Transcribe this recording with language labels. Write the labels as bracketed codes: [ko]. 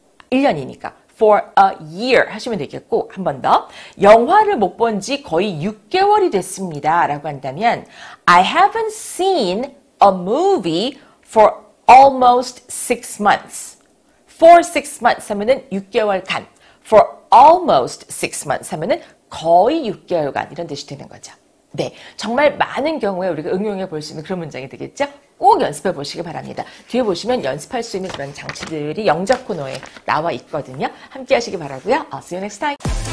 [ko] 1년이니까 for a year 하시면 되겠고 한번 더. 영화를 못본지 거의 6개월이 됐습니다라고 한다면 [en] I haven't seen a movie for almost 6 months. [ko] for 6 months 하면은 6개월간. for almost 6 months 하면은 거의 6개월간 이런 뜻이 되는 거죠. 네, 정말 많은 경우에 우리가 응용해 볼수 있는 그런 문장이 되겠죠? 꼭 연습해 보시기 바랍니다. 뒤에 보시면 연습할 수 있는 그런 장치들이 영작 코너에 나와 있거든요. 함께 하시기 바라고요. [en] I'll see you next time.